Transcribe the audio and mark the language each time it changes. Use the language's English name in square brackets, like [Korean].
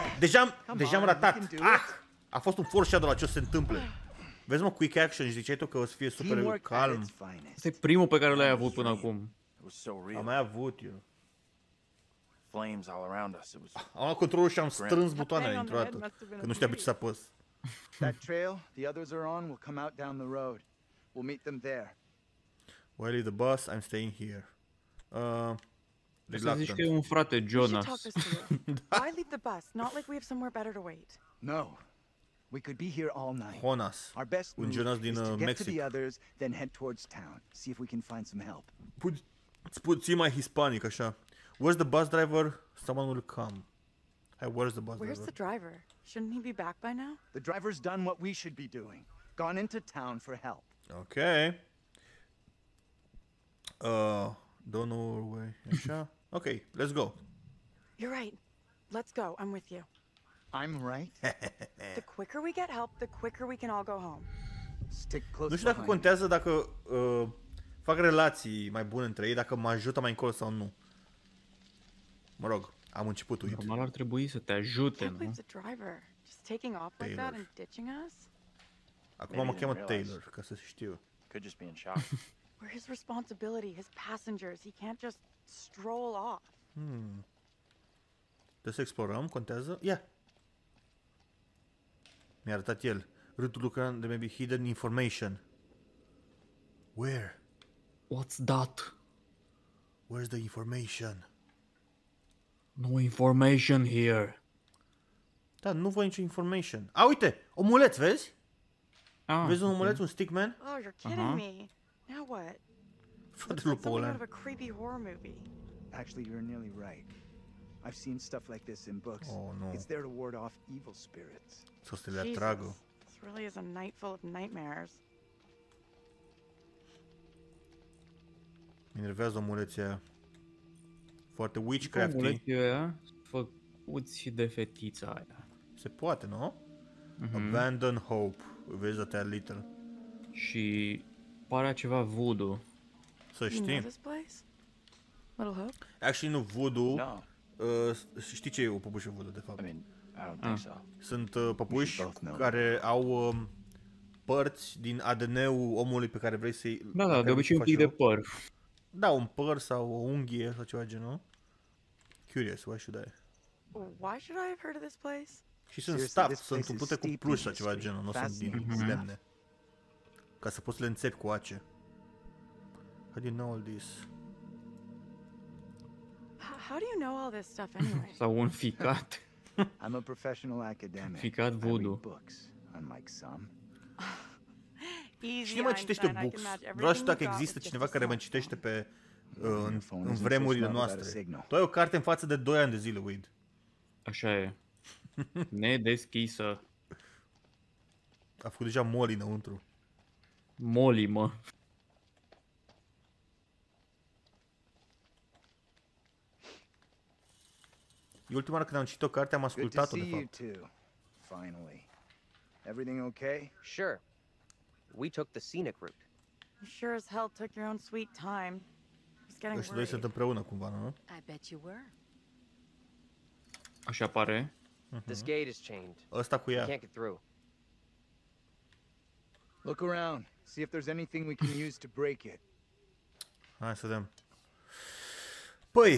[Romanian] Deja am ratat. Ah! A fost un foreshadow la ce o să se întâmple. Vezi mă, [English] quick action, [Romanian] ziceai tu că o să fie super calm. Asta e primul pe care l-ai avut până acum. Am mai avut eu. [English] Flames all around us. It was. [Romanian] Am luat controlul și am strâns butoanele dintr-o dată, că nu știam pe ce să apăs. [English] That trail the others are on will come out down the road. We'll meet them there. Well, the bus, I'm staying here. [Romanian] Să zici că e un frate Jonas. [English] Why leave the bus? Not like we have somewhere better to wait. No. We could be here all night. Jonas. Our best [Romanian] un Jonas din Mexic. [English] To the others, then head towards town. See if we can find some help. [Romanian] Puțin mai hispanic așa. [English] Where's the bus driver? Someone will come. Hey, where's the bus driver? Where's the driver? Shouldn't he be back by now? The driver's done what we should be doing. Gone into town for help. Okay. Don't know our way. Așa. Okay, let's go. You're right. Let's go. I'm with you. I'm right. The quicker we get help, the quicker we can all go home. Stick close. [Romanian] Nu știu dacă contează dacă fac relații mai bune între ei, dacă mă ajută mai încolo sau nu. Mă rog, am început, uite. Normal ar trebui să te ajute, nu? [English] Who's the driver? Just taking off like that and ditching us? [Romanian] Acum mă cheamă Taylor, ca să știu. [English] Could just be in shock. Where his responsibility, his passengers, he can't just stroll off. [Romanian] Trebuie să explorăm, contează? Ia! Yeah. Mi-a arătat el. Râtul lucrăm, [English] there may be hidden information. Where? What's that? Where's the information? No information here. [Romanian] Da, nu văd nicio information. A, uite! Omuleț, vezi? Ah, vezi un omuleț, un stickman? [English] Oh, you're kidding me. Now what? [Romanian] Frate Lupule. [English] Something out of a creepy horror movie. Actually, you're nearly right. I've seen stuff like this in books. Oh, no. It's there to ward off evil spirits. [Romanian] S-o să le atragă. [English] This really is a night full of nightmares. [Romanian] Mă enervează omuleții aia. Foarte witchcrafty. Omuleții aia făcuți de fetița aia. Se poate, nu? [English] Abandon hope. [Romanian] Vezi atâta little. Și pare ceva voodoo. Să știm. [English] Little hope? [Romanian] Actually, nu voodoo. [English] No. [Romanian] Știi ce e o păpușă voodoo, de fapt? [English] I mean, I don't think so. [Romanian] Sunt păpuși care au părți din ADN-ul omului pe care vrei să-i... Da, da, de obicei un pic de păr. Da, un păr sau o unghie sau ceva genul. [English] Curious, why should I? Why should I have heard of this place? [Romanian] Și sunt staff, sunt umplute cu pluș sau ceva genul, nu sunt din lemne. Ca să poți să le înțepi cu ace. [English] How do you know all this? How do you know all this stuff anyway? [Romanian] Sau un ficat. [English] I'm a professional academic. [Romanian] Ficat voodoo. [English] Books, unlike some. [Romanian] Cine mă citește books? Vreau să știu dacă există cineva care mă citește pe în vremurile noastre. Tu ai o carte în față de 2 ani de zile, Weed. Așa e. Nedeschisă. A făcut deja Molly înăuntru. Molly, mă. E ultima oară când am citit o carte, am ascultat-o, de fapt. [English] Finally. Everything okay? Sure. We took the scenic route. You sure as hell took your own sweet time. It's getting worried. [Romanian] Doi sunt împreună cumva, nu? [English] I bet you were. [Romanian] Așa pare. [English] This gate is chained. [Romanian] Ăsta cu ea. [English] Can't get through. Look around. See if there's anything we can use to break it. [Romanian] Hai să vedem. Păi.